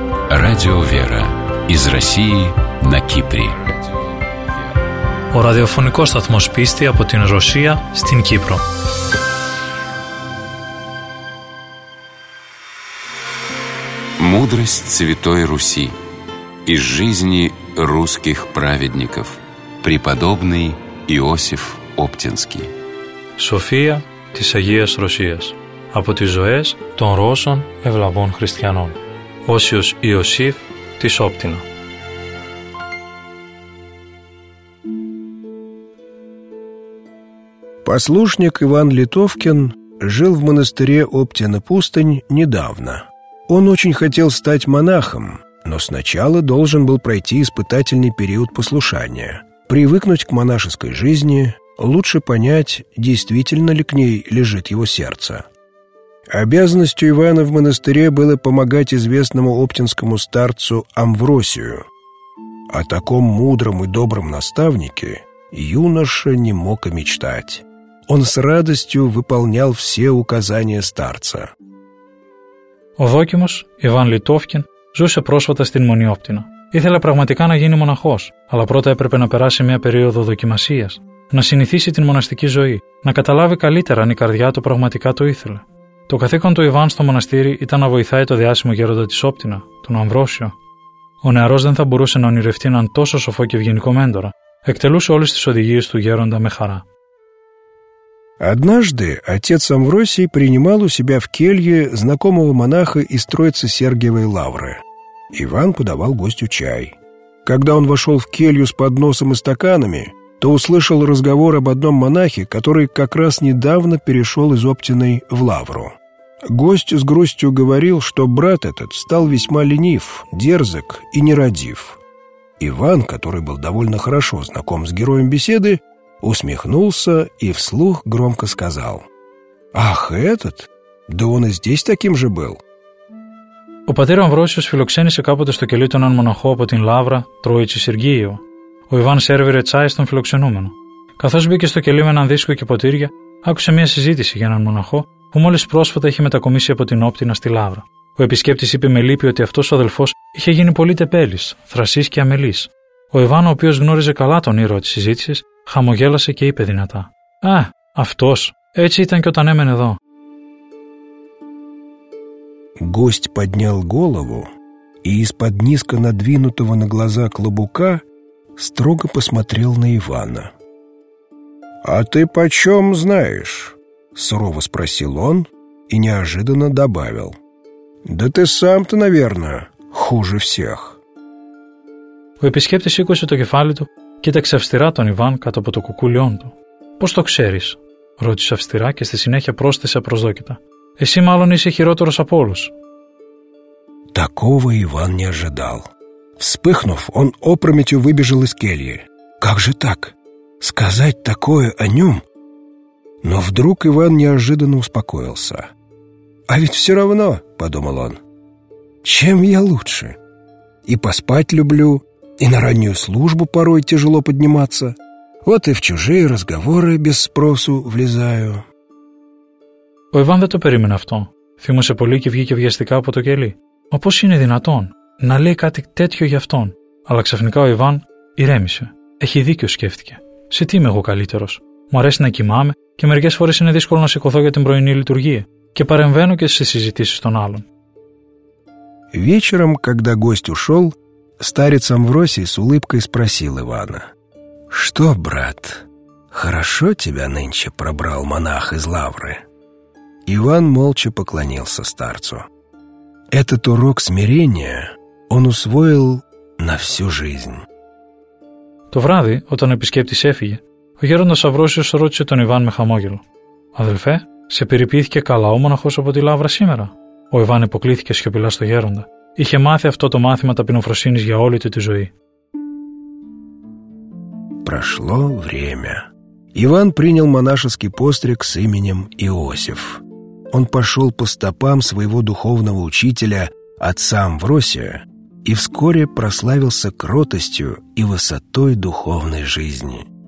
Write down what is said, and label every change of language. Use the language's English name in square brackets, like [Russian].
[Russian] Радио Вера из России на Кипре. [Greek] Ο ραδιοφωνικός σταθμός πίστη από την Ρωσία στην Κύπρο. [Russian] Мудрость Святой Руси из жизни русских праведников. Преподобный Иосиф Оптинский. [Greek] София της Агίας Ρωσίας. Από τις ζωές των Ρώσων ευλαβών χριστιανών. Όσιος Ιωσήφ της Όπτινα. [Russian] Послушник Иван Литовкин жил в монастыре Оптина-Пустынь недавно. Он очень хотел стать монахом, но сначала должен был пройти испытательный период послушания, привыкнуть к монашеской жизни, лучше понять, действительно ли к ней лежит его сердце. Обязанностью Ивана в монастыре было помогать известному оптинскому старцу Амвросию. О таком мудром и добром наставнике юноша не мог и мечтать. Он с радостью выполнял все указания старца. [Greek] Ο δόκιμος Ιβάν Λιτόφκιν ζούσε πρόσφατα στην Μονή Όπτινα. Ήθελε πραγματικά να γίνει μοναχός, αλλά πρώτα έπρεπε να περάσει μια περίοδο δοκιμασίας, να συνηθίσει την μοναστική ζωή, να καταλάβει καλύτερα αν η καρδιά του πραγματικά το ήθελε. Το καθήκον του Ιβάν στο μοναστήρι ήταν να βοηθάει το διάσημο γέροντα της Όπτινα, τον Αμβρόσιο. Ο νεαρός δεν θα μπορούσε να ονειρευτεί έναν τόσο σοφό και ευγενικό μέντορα. Εκτελούσε όλες τις οδηγίες του γέροντα με χαρά. [Russian] Однажды отец Амвросий принимал у себя в келье знакомого монаха из Троицы Сергиевой Лавры. Иван подавал гостю чай. Когда он вошел в келью с подносом и стаканами, то услышал разговор об одном монахе, который как раз недавно перешел из Оптиной в Лавру. Гость с грустью говорил, что брат этот стал весьма ленив, дерзок и нерадив. Иван, который был довольно хорошо знаком с героем беседы, усмехнулся и вслух громко сказал: «Ах, этот? Да он и здесь таким же был». [Greek] Ο πατήρ Αμβρόσιος φιλοξένησε κάποτε στο κελί του έναν μοναχό από την Λαύρα, Τρόιτσι Σεργίου. Ο Ιβάν σέρβιρε τσάι στον φιλοξενούμενο. Καθώς μπήκε στο κελί με έναν δίσκο και ποτήρια, άκουσε μια συζήτηση για έναν μοναχό που μόλις πρόσφατα είχε μετακομίσει από την Όπτινα στη Λαύρα. Ο επισκέπτης είπε με λύπη ότι αυτός ο αδελφός είχε γίνει πολύ τεπέλης, θρασής και αμελής. Ο Ιβάν, ο οποίος γνώριζε καλά τον ήρωα της συζήτησης, χαμογέλασε και είπε δυνατά: «Α, αυτός, έτσι ήταν και όταν έμενε εδώ». [Russian] Гость поднял голову и из-под низко надвинутого на глаза клобука строго посмотрел на Ивана. «А ты почем знаешь?» — сурово спросил он и неожиданно добавил: «Да ты сам-то, наверное, хуже всех». [Greek] У епископа сикосе то кефали ту, китаксе австира тон Иван като по то кукулион ту. «Пос то ксерис?» — ρώτησε австира και στη συνέχεια πρόσθεσε απροσδόκητα. «Εσύ μάλλον είσαι χειρότερος από όλους». [Russian] Такого Иван не ожидал. Вспыхнув, он опрометью выбежал из кельи. Как же так? Сказать такое о нем? Но вдруг Иван неожиданно успокоился. «А ведь все равно», — подумал он, — «чем я лучше? И поспать люблю, и на раннюю службу порой тяжело подниматься. Вот и в чужие разговоры без спросу влезаю». [Greek] Ο Ιβάν δεν το περίμενε αυτό. Θύμωσε πολύ και βγήκε βιαστικά από το κελί. Μα πώς είναι δυνατόν να λέει κάτι τέτοιο για αυτόν? Αλλά ξαφνικά ο Ιβάν ηρέμησε. Έχει δίκιο, σκέφτηκε. Σε τι είμαι εγώ καλύτερος? Μου αρέσει να κοιμάμαι και μερικές φορές είναι δύσκολο να σηκωθώ για την πρωινή λειτουργία. Και παρεμβαίνω και στις συζητήσεις των άλλων. [Russian] Вечером, когда гость ушел, старец Амвросий с улыбкой спросил Ивана: «Что, брат, хорошо тебя нынче пробрал монах из Лавры?» Иван молча поклонился старцу. Этот урок смирения он усвоил на всю жизнь. [Greek] Το βράδυ, όταν ο επισκέπτης έφυγε, ο γέροντας Αμβρόσιος ρώτησε τον Ιβάν με χαμόγελο: «Αδελφέ, σε περιποιήθηκε καλά ο μοναχός από τη Λαύρα σήμερα?» Ο Ιβάν υποκλήθηκε σιωπηλά στο γέροντα. Είχε μάθει αυτό το μάθημα ταπεινοφροσύνης για όλη του τη ζωή. [Russian] Прошло время. Иван принял монашеский постриг с именем Иосиф. Он пошел по стопам своего духовного учителя, отца Амвросия, и вскоре прославился кротостью и высотой духовной жизни.